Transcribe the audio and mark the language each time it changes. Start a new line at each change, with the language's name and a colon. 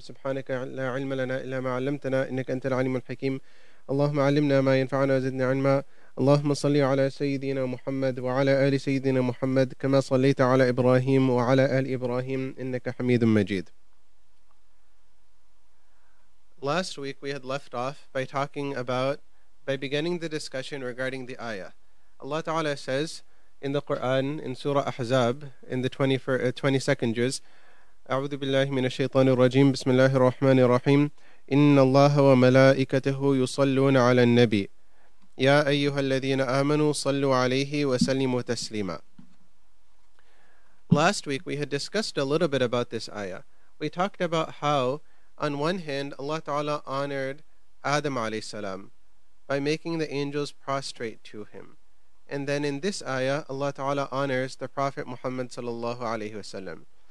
Arabic: سبحانك لا علم لنا إلا ما علمتنا إنك أنت العليم الحكيم. اللهم علمنا ما ينفعنا وزدنا علما. اللهم صل على سيدنا محمد وعلى آل سيدنا محمد كما صليت على إبراهيم وعلى آل إبراهيم إنك حميد مجيد.
English: Last week we had left off by talking about, by beginning the discussion regarding the ayah. Allah Ta'ala says in the Quran, in Surah Ahzab, in the 22nd juz,
Arabic: أعوذ بالله من الشيطان الرجيم بسم الله الرحمن الرحيم إن الله وملائكته يصلون على النبي يا أيها الذين آمنوا صلوا عليه وسلموا تسليما.
English: Last week we had discussed a little bit about this ayah. We talked about how on one hand, Allah Ta'ala honored Adam alayhi salam by making the angels prostrate to him. And then in this ayah, Allah Ta'ala honors the Prophet Muhammad sallallahu alayhi wasallam.